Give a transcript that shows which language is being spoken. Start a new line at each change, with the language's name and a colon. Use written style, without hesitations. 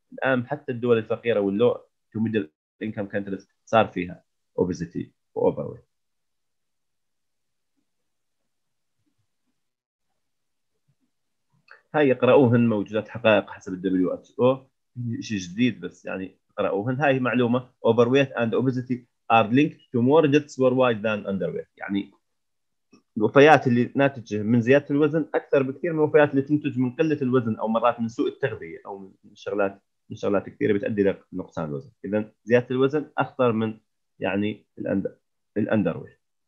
Arabic: الآن حتى الدول الفقيرة واللو
English: to middle-income countries
Arabic: صار فيها
English: obesity or overweight.
Arabic: هاي يقرأوهن موجودات حقائق حسب الـ WHO. شيء جديد بس يعني يقرأوهن. هاي معلومة
English: overweight and obesity. are linked to more deaths worldwide than underweight.
Arabic: يعني الوفيات اللي ناتجة من زيادة الوزن أكثر بكثير من الوفيات اللي تنتج من قلة الوزن أو مرات من سوء التغذية أو من شغلات كثيرة بتؤدي لنقصان الوزن. إذا زيادة الوزن أخطر من يعني الأندرويت.